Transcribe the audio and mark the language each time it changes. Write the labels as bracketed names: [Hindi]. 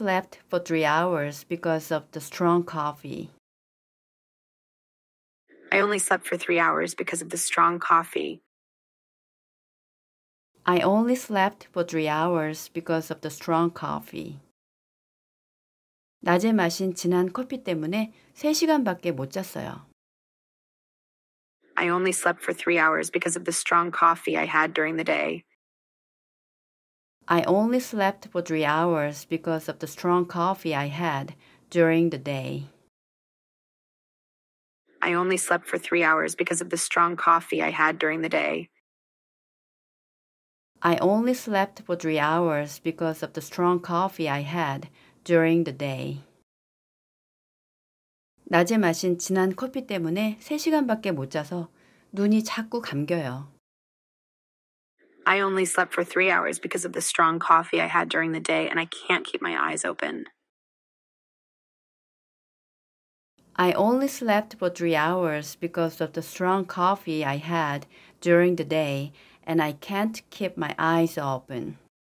[English] I only slept for three hours because of the strong coffee. I only slept for 3 hours because of the strong coffee. I only slept for 3 hours because of the strong coffee. [Korean] 낮에 마신 진한 커피 때문에 3시간밖에 못 잤어요. [English] I only slept for 3 hours because of the strong coffee I had during the day. I only slept for 3 hours because of the strong coffee I had during the day. I only slept for 3 hours because of the strong coffee I had during the day. I only slept for 3 hours because of the strong coffee I had during the day. [Korean] 낮에 마신 진한 커피 때문에 3시간밖에 못 자서 눈이 자꾸 감겨요. [English] I only slept for 3 hours because of the strong coffee I had during the day, and I can't keep my eyes open. I only slept for 3 hours because of the strong coffee I had during the day, and I can't keep my eyes open.